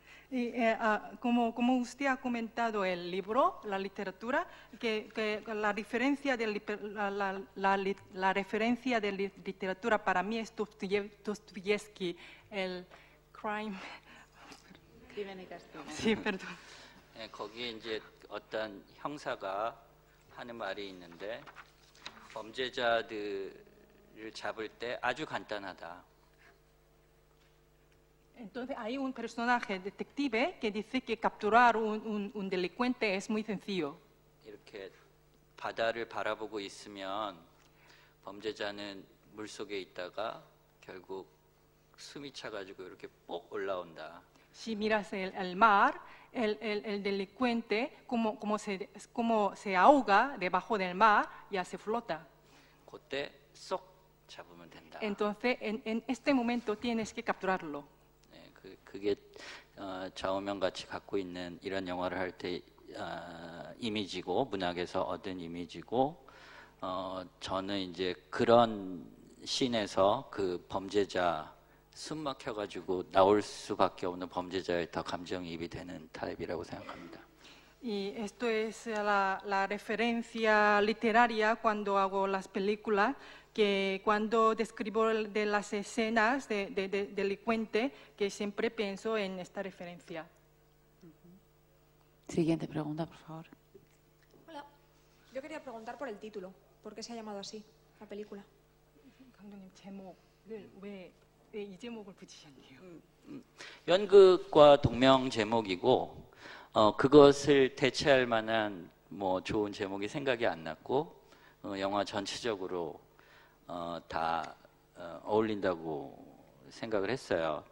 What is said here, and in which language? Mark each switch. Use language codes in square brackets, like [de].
[es] Y como usted ha comentado el libro, la literatura, que la diferencia de la referencia de literatura para mí es Dostoyevsky, el crime. Crimen y castigo. Sí, perdón. [ko] 네, 거기에 이제 어떤 형사가 하는 말이 있는데 범죄자들을 잡을 때 아주 간단하다. [es] Entonces hay un personaje detective que dice que capturar un delincuente es muy sencillo. [ko] 이렇게 바다를 바라보고 있으면 범죄자는 물 속에 있다가 결국 숨이 차가지고 이렇게 뽁 올라온다. [es] Si miras el mar, el delincuente como se ahoga debajo del mar ya se flota. [ko] 그때 쏙 잡으면 된다. [es] Entonces en este momento tienes que capturarlo. [ko] 그게 좌우명 같이 갖고 있는 이런 영화를 할 때 이미지고 문학에서 얻은 이미지고 저는 이제 그런 씬에서 그 범죄자 숨 막혀가지고 나올 수밖에 없는 범죄자에 더 감정이입이 되는 타입이라고 생각합니다. [es] Y esto es la referencia literaria cuando hago las películas. Que cuando describo de las escenas de delincuente, que siempre pienso en esta referencia. Siguiente pregunta, por favor. Hola, yo quería preguntar por el título, ¿por qué se ha llamado así la película? [ko] 감독님, 제목을 왜 이 제목을 붙이셨네요? 연극과 동명 제목이고 그것을 대체할 만한 뭐 좋은 제목이 생각이 안 났고 영화 전체적으로 다 어울린다고 생각을 했어요.